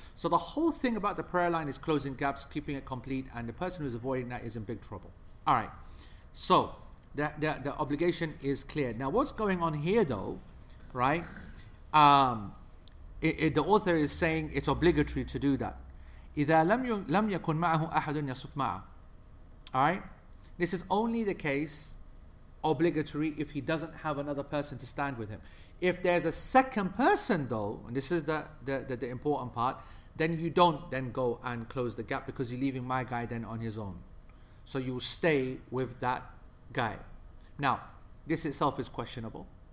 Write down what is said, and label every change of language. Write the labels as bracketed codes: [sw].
[en] So the whole thing about the prayer line is closing gaps, keeping it complete, and the person who's avoiding that is in big trouble. All right. So the obligation is clear. Now what's going on here though, right? The author is saying it's obligatory to do that. [ar] إذا لم يكن معه أحد يصف معه. [en] Alright? This is only the case, obligatory, if he doesn't have another person to stand with him. If there's a second person though, and this is the important part, then you don't then go and close the gap because you're leaving my guy then on his own. So you stay with that guy. Now, this itself is questionable.